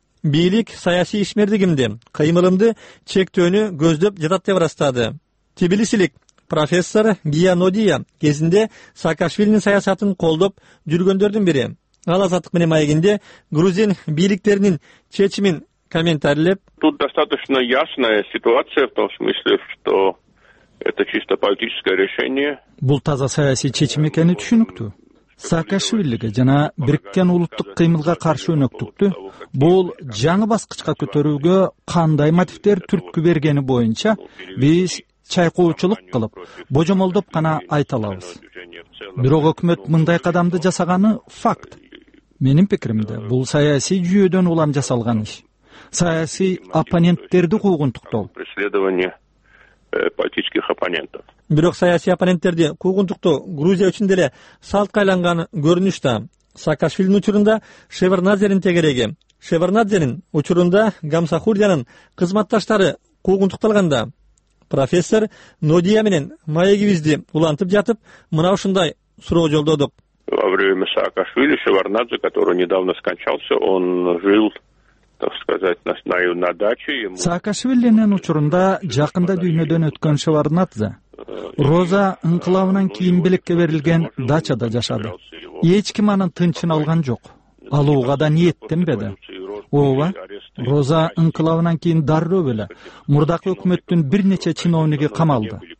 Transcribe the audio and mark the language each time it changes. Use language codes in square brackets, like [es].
[ky] Бийлик саясий ишмердигимди, кыймылымды чектөөнү көздөп жатат деп ырастады. Тбилисилик профессор Гия Нодия кезинде Саакашвилинин саясатын колдоп жүргөндөрдүн бири. Ал Азаттык менен маегинде грузин бийликтеринин чечимин комментарийлеп, [ru] тут достаточно ясная ситуация в том смысле, что это чисто политическое решение. [ky] Бул таза саясий чечим экени түшүнүктүү. Саакашвилиге жана Бириккен улуттук кыймылга каршы өнөктүктү бул жаңы баскычка көтөрүүгө кандай мотивтер түрткү бергени боюнча биз чайкоочулук кылып, божомолдоп гана айта алабыз. Бирок өкмөт мындай кадамды жасаганы факт. Менин пикиримде бул саясий жүйөдөн улам жасалган иш. Саясий оппоненттерди куугунтуктоо. [ru] Политических оппонентов. [ky] Бирок саясий оппоненттерди куугунтуктоо Грузия үчүн деле салтка айланган көрүнүш да. Саакашвилинин учурунда Шеварднадзенин тегереги. Шеварднадзенин учурунда Гамсахурдянын кызматташтары куугунтукталганда профессор Нодия менен маегибизди улантып жатып, мына ушундай суроо жолдодук. [ru] Во время Саакашвили Шеварднадзе, который недавно скончался, он жил, так сказать, на даче. [ky] Саакашвилинин учурунда жакында дүйнөдөн өткөн Шеварднадзе Роза инкылабынан кийин бийликке берилген дачада жашады. Эч ким анын тынчын алган жок. Алууга да ниеттенбеди. Ооба, Роза инкылабынан кийин дароо эле мурдакы өкмөттүн бир нече чиновниги камалды.